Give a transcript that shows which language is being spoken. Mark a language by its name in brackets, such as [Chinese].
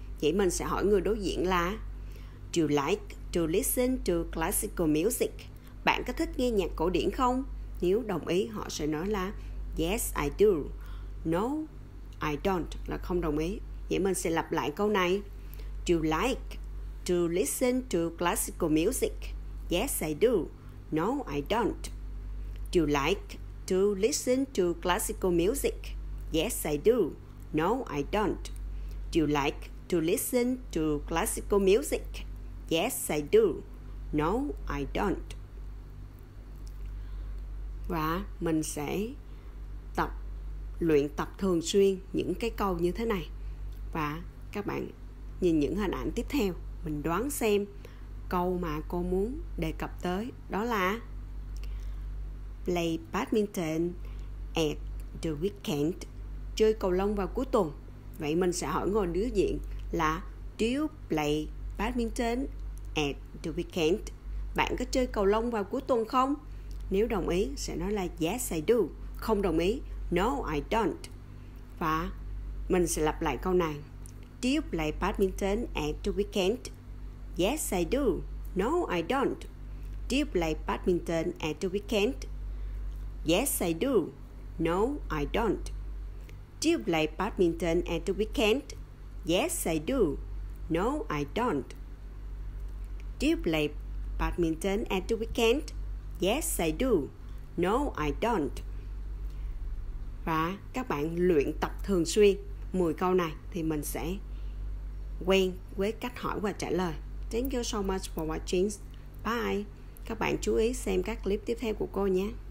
[Vietnamese] Vậy mình sẽ hỏi người đối diện là [English] do you like to listen to classical music, [Vietnamese] bạn có thích nghe nhạc cổ điển không? Nếu đồng ý họ sẽ nói là [English] yes I do, no I don't, [Vietnamese] là không đồng ý. Vậy mình sẽ lặp lại câu này: [English] do you like to listen to classical music? Yes I do, no I don't. Do you like to listen to classical music? Yes I do, no I don't. Do you like to listen to classical music? Yes I do, no I don't. [Vietnamese] Và mình sẽ tập luyện tập thường xuyên những cái câu như thế này. Và các bạn nhìn những hình ảnh tiếp theo, mình đoán xem câu mà cô muốn đề cập tới, đó là [English] play badminton at the weekend, [Vietnamese] chơi cầu lông vào cuối tuần. Vậy mình sẽ hỏi người đối diện là [English] do you play badminton at the weekend? [Vietnamese] Bạn có chơi cầu lông vào cuối tuần không? Nếu đồng ý sẽ nói là [English] yes I do. [Vietnamese] Không đồng ý, [English] no I don't. [Vietnamese] Và mình sẽ lặp lại câu này. [English] Do you play badminton at the weekend? Yes I do. No I don't. Do you play badminton at the weekend? Yes I do. No I don't. Do you play badminton at the weekend? Yes I do. No I don't. Do you play badminton at the weekend? Yes I do. No I don't. [Vietnamese] Và các bạn luyện tập thường xuyên 10 câu này thì mình sẽ quen với cách hỏi và trả lời. [English] Thank you so much for watching. Bye. [Vietnamese] Các bạn chú ý xem các clip tiếp theo của cô nhé.